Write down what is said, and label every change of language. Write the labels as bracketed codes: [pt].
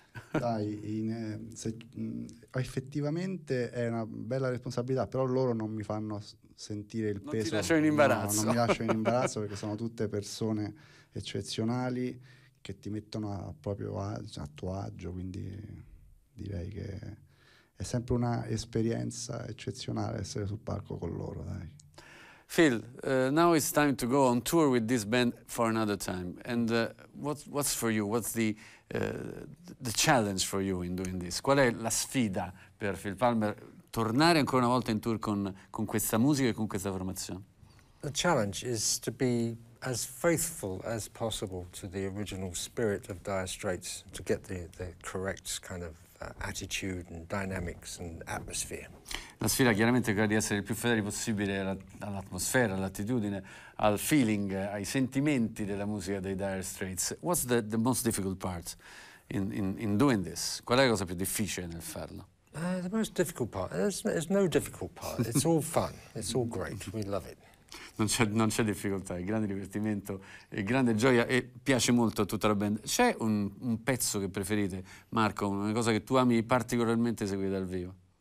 [it] Dai, effettivamente è una bella responsabilità, però loro non mi fanno sentire il peso. Non ti lasciano in imbarazzo. Non mi lasciano in imbarazzo perché sono tutte persone eccezionali che ti mettono a tuo agio, quindi direi che è sempre una esperienza eccezionale essere sul palco con loro, dai. [en] Phil, now it's time to go on tour with this band for another time. And what's for you? What's the challenge for you in doing this? [it] Qual è la sfida per Phil Palmer tornare ancora una volta in tour con questa musica e con questa formazione? [en] The challenge is to be as faithful as possible to the original spirit of Dire Straits, to get the correct kind of attitude and dynamics and atmosphere. [it] La sfida chiaramente è quella di essere il più fedeli possibile all'atmosfera, all'attitudine, al feeling, ai sentimenti della musica dei Dire Straits. [en] What's the most difficult part in doing this? [it] Qual è la cosa più difficile nel farlo? [en] The most difficult part? There's no difficult part. It's all fun. It's all great. We love it. [it] Non c'è difficoltà, è grande divertimento, è grande gioia e piace molto a tutta la band. C'è un pezzo che preferite, Marco, una cosa che tu ami particolarmente seguire dal vivo?